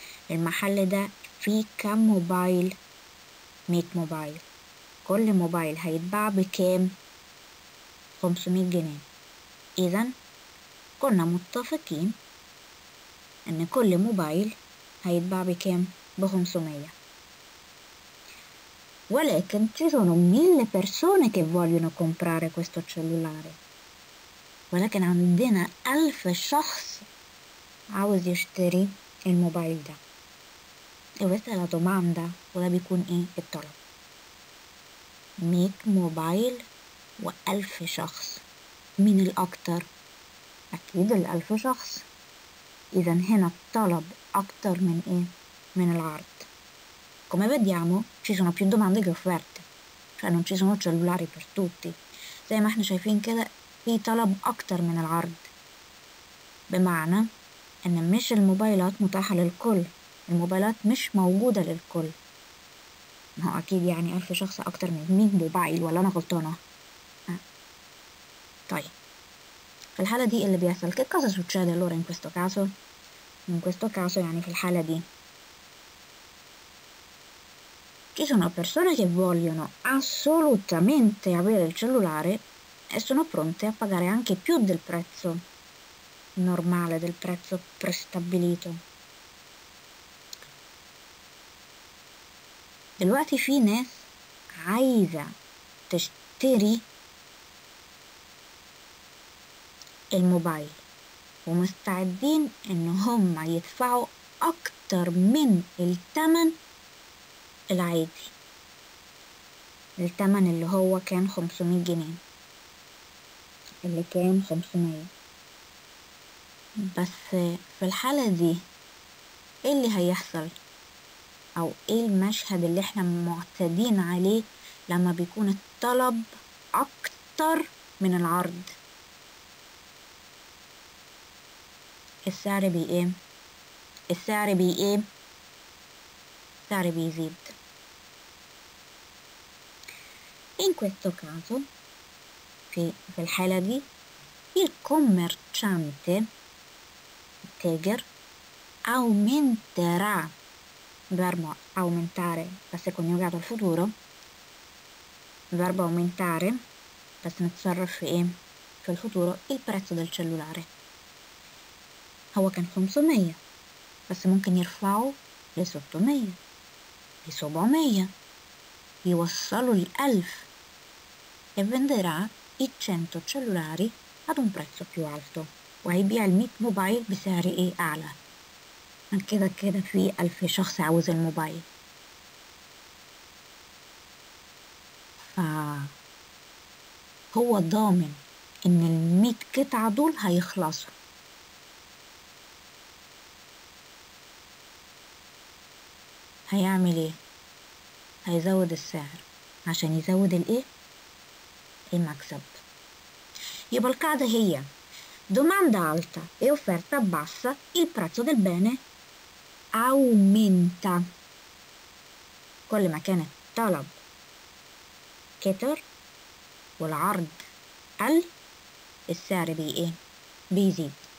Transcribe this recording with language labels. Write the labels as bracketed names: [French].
[Arabic] المحل ده فيه كم موبايل؟ 100 موبايل. كل موبايل هيتباع بكام؟ 500 جنيه. اذا كنا متفقين ان كل موبايل هيتباع بكام؟ ب 500. ولكن [Italian] ci sono 1000 persone che vogliono comprare questo cellulare. [Arabic] ولكن عندنا 1000 شخص عاوز يشتري الموبايل ده. [Italian] E questa è la domanda, [Arabic] ولا بيكون ايه الطلب؟ 100 موبايل و 1000 شخص، مين الاكتر؟ اكيد ال 1000 شخص. اذا هنا الطلب اكتر من ايه؟ من العرض. [Italian] Come vediamo, ci sono più domande che offerte. Cioè non ci sono cellulari per tutti. [Arabic] زي ما احنا شايفين كده، في طلب اكتر من العرض. بمعنى ان مش الموبايلات متاحة للكل، الموبايلات مش موجودة للكل. ما هو اكيد يعني 1000 شخص اكتر من 100 موبايل، ولا انا غلطانة؟ طيب في الحالة دي اللي بيحصل، [Italian] che cosa succede allora in questo caso؟ in questo caso [Arabic] يعني في الحالة دي، [Italian] ci sono persone che vogliono assolutamente avere il cellulare e sono pronte a pagare anche più del prezzo normale, del prezzo prestabilito. [Arabic] دلوقتي في ناس عايزة تشتري الموبايل ومستعدين ان هم يدفعوا اكتر من الثمن العادي، الثمن اللي هو كان 500 جنيه، اللي كان 500. بس في الحالة دي ايه اللي هيحصل؟ او ايه المشهد اللي احنا معتادين عليه لما بيكون الطلب اكتر من العرض؟ السعر بيقيم، السعر بيقيم، السعر بيزيد. [Italian] In questo caso, [Arabic] في الحالة دي، [Italian] il commerciante, [Arabic] التاجر، [Italian] aumenterà، verbo aumentare, passé coniugato al futuro, verbo aumentare, passé [Arabic] متصرف في [Italian] الفuturo, il prezzo del cellulare. [Arabic] هو كان 500، بس ممكن يرفعه ل 600، ل 700، يوصله ل 1000. [Italian] E venderà i 100 cellulari ad un prezzo più alto. [Arabic] وهيبيع ال 100 موبايل بسعر ايه؟ اعلى. من كده كده في 1000 شخص عاوز الموبايل. فهو ضامن ان ال 100 قطعه دول هيخلصوا. هيعمل ايه؟ هيزود السعر. عشان يزود الايه؟ المكسب. يبقى القاعدة هي [Italian] domanda alta e offerta bassa, il prezzo del bene aumenta. [Arabic] كل ما كان الطلب كتر والعرض قل، السعر بيقل، بيزيد.